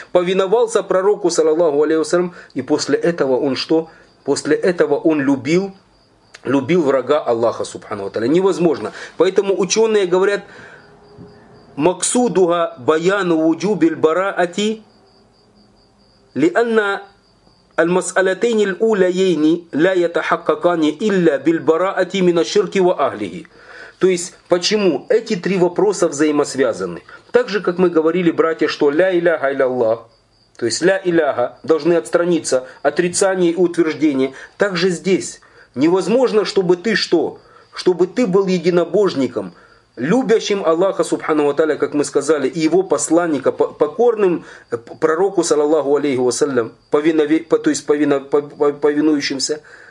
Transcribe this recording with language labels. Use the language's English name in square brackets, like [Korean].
[Russian] Повиновался пророку, саллаллаху алейхи вассалям. И после этого он что? После этого он любил. Любил врага Аллаха Субхану Таля. Невозможно. Поэтому ученые говорят. [Arabic] Максудуга баяну вуджубиль бараати. Лианна. المسألتين الأوليين لا يتحققان إلا بالبراءة من الشرك وأهله. [Russian] То есть, почему эти три вопроса взаимосвязаны? Так же, как мы говорили, братья, что ля иляха илляллах, то есть ля иляха, должны отстраниться, отрицание и утверждение. Так же здесь. Невозможно, чтобы ты что? Чтобы ты был единобожником, любящим Аллаха Субхану ва Тааля, как мы сказали, и его посланника, покорным пророку, саллаллаху алейхи ва саллям, повинующимся.